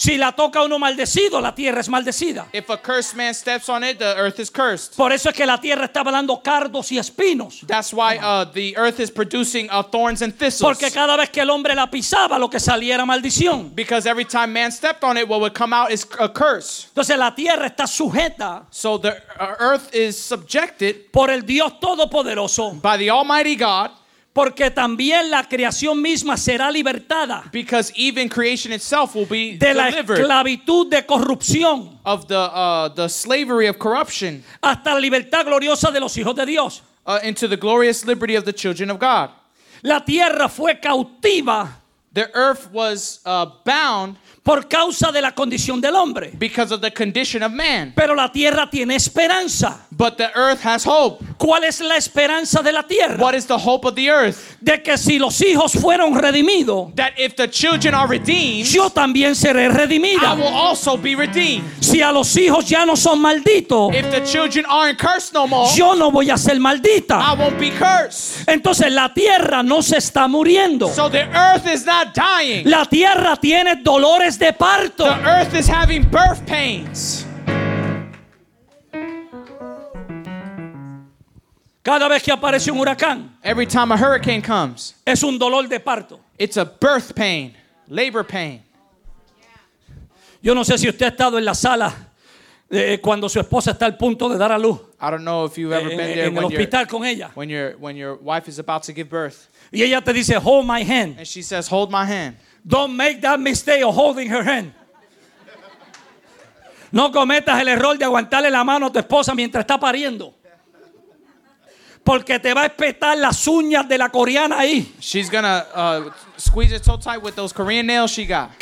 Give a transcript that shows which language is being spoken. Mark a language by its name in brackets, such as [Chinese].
[Spanish] Si la toca uno maldecido, la tierra es maldecida. [English] If a cursed man steps on it, the earth is cursed. [Spanish] Por eso es que la tierra está dando cardos y espinos. [English] That's why the earth is producing thorns and thistles. [Spanish] Porque cada vez que el hombre la pisaba, lo que salía era maldición. [English] Because every time man stepped on it, what would come out is a curse. [Spanish] Entonces la tierra está sujeta. [English] So the earth is subjected. [Spanish] Por el Dios Todopoderoso. [English] By the Almighty God. [Spanish] Porque también la creación misma será libertada. [English] Because even creation itself will be [Spanish] de la [English] delivered. [Spanish] Esclavitud de corrupción. [English] Of the slavery of corruption. [Spanish] Hasta la libertad gloriosa de los hijos de Dios. [English] Into the glorious liberty of the children of God. [Spanish] La tierra fue cautiva. [English] The earth was bound. [Spanish] Por causa de la condición del hombre. [English] Because of the condition of man. [Spanish] Pero la tierra tiene esperanza. [English] But the earth has hope. [Spanish] ¿Cuál es la esperanza de la tierra? [English] What is the hope of the earth? [Spanish] De que si los hijos fueron redimidos. [English] That if the children are redeemed. [Spanish] Yo también seré redimida. [English] I will also be redeemed. [Spanish] Si a los hijos ya no son malditos. [English] If the children aren't cursed no more. [Spanish] Yo no voy a ser maldita. [English] I won't be cursed. [Spanish] Entonces la tierra no se está muriendo. [English] So the earth is not dying. [Spanish] La tierra tiene dolores. [English] The earth is having birth pains. [Spanish] Cada vez que aparece un huracán, [English] every time a hurricane comes, [Spanish] es un dolor de parto. [English] It's a birth pain, labor pain. [Spanish] Yo no sé si usted ha estado en la sala cuando su esposa está al punto de dar a luz. [English] I don't know if you've ever been there [Spanish] en el hospital con ella. [English] When your wife is about to give birth. [Spanish] Y ella te dice, [English] hold my hand. And she says, hold my hand. Don't make that mistake of holding her hand. [Spanish] No cometas el error de aguantarle la mano a tu esposa mientras está pariendo. Porque te va a espetar las uñas de la coreana ahí. [English] She's gonna squeeze it so tight with those Korean nails she got.